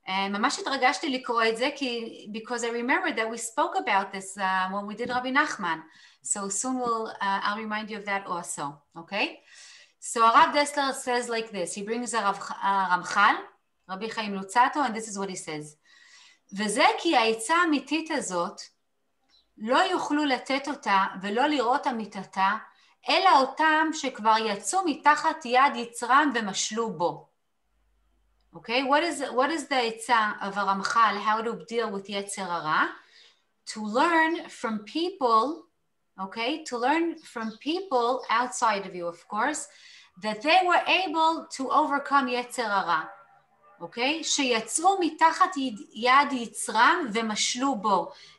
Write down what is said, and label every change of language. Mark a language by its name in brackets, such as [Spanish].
[Hebrew] ממש התרגשתי לקרוא את זה, [English] because I remember that we spoke about this when we did Rabbi Nachman. So soon I'll remind you of that also, okay? So Rav Dessler says like this, he brings a Ramchal, Rabbi Chaim Lutzato, and this is what he says. [Hebrew] וזה כי העצה האמיתית הזאת לא יוכלו לתת אותה ולא לראות אמיתתה, אלא אותם שכבר יצאו מתחת יד יצרם ומשלו בו. [English] Okay, what is the עצה of a Ramchal, how to deal with יצר הרע? To learn from people, okay, to learn from people outside of you, of course, that they were able to overcome Yetzer Hara, okay? [Hebrew] שיצאו מתחת יד יצרם ומשלו בו.